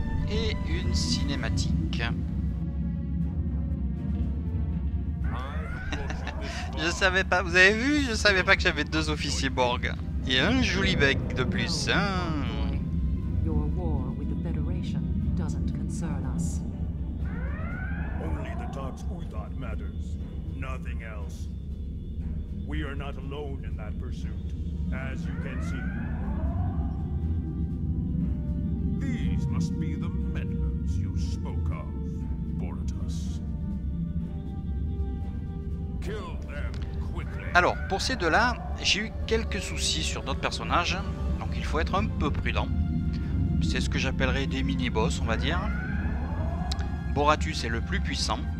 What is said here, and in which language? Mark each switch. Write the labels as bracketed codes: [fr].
[fr] Et une cinématique. Je savais pas, vous avez vu, je savais pas que j'avais deux officiers Borg. Et un joli bec de plus, hein. [en] Your war with the Federation doesn't concern us. Only the Tok's Uthot matters. Nothing else. We are not alone in that pursuit, as you can see. These must be the meddlers you spoke of, Boratus. Kill them. [fr] Alors, pour ces deux-là, j'ai eu quelques soucis sur d'autres personnages, donc il faut être un peu prudent. C'est ce que j'appellerais des mini-boss, on va dire. Boratus est le plus puissant.